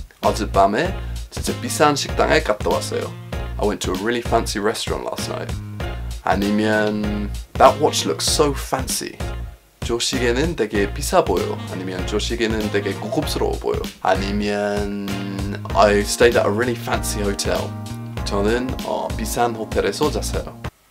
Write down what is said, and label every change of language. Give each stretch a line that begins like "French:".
Korean: 어젯밤에 진짜 비싼 식당에 갔다 왔어요.
English: I went to a really fancy restaurant last night.
Korean: 아니면
English: That watch looks so fancy.
Korean: 저 시계는 되게 비싸 보여. 아니면 저 시계는 되게 고급스러워 보여. 아니면
English: I stayed at a really fancy hotel.
Korean: 저는 비싼 호텔에서 잤어요.